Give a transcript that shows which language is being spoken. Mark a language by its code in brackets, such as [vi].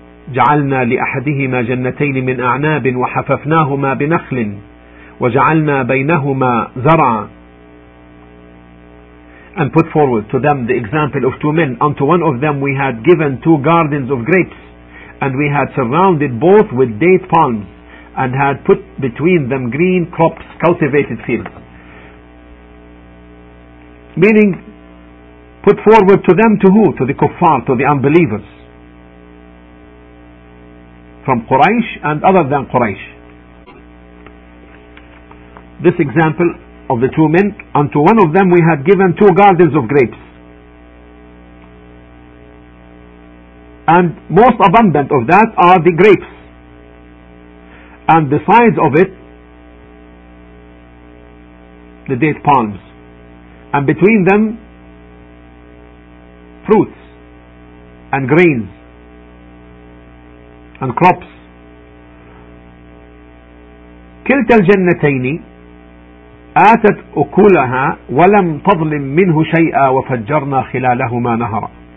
[ar] جعلنا لأحدهما جنتين من أعناب وحففناهما بنخل وجعلنا بينهما زرعا. [en] And put forward to them the example of two men. Unto one of them we had given two gardens of grapes, and we had surrounded both with date palms, and had put between them green crops, cultivated fields. Meaning, put forward to them to who? To the kuffar, to the unbelievers, from Quraysh and other than Quraysh. This example of the two men, unto one of them we had given two gardens of grapes, and most abundant of that are the grapes, and the sides of it the date palms, and between them fruits and grains and crops. [ar] كلتا الجنتين آتت أكلها ولم تظلم منه شيئا وفجرنا خلالهما نهرا.